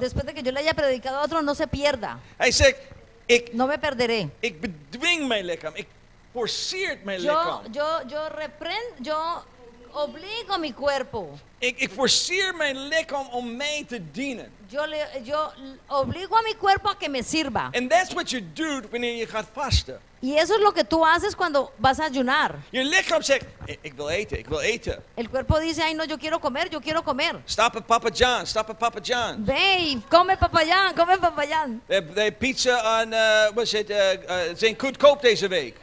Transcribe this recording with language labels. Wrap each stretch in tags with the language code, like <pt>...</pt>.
<es>Después de que yo le haya predicado a otro, no se pierda.</es> <nl>Hij zegt, ik.</nl> <es>No me perderé.</es> <nl>Ik bedwing mijn lichaam. Ik forceer mijn lichaam.</nl> <es>Yo obligo mi cuerpo.</es> <nl>Ik forceer mijn lichaam om mij te dienen.</nl> <es>Yo obligo a mi cuerpo a que me sirva.</es> <en>And that's what you do</en> <nl>wanneer je gaat vasten.</nl> <es>Y eso es lo que tú haces cuando vas a ayunar.</es> <nl>Je lichaam zegt, ik wil eten, ik wil eten.</nl> <es>El cuerpo dice, ay no, yo quiero comer, yo quiero comer.</es> <en>Stop at Papa John, stop at Papa John.</en> <es>Ve, come Papa John, come Papa John.</es> <nl>De pizza aan, zijn goedkoop deze week.</nl>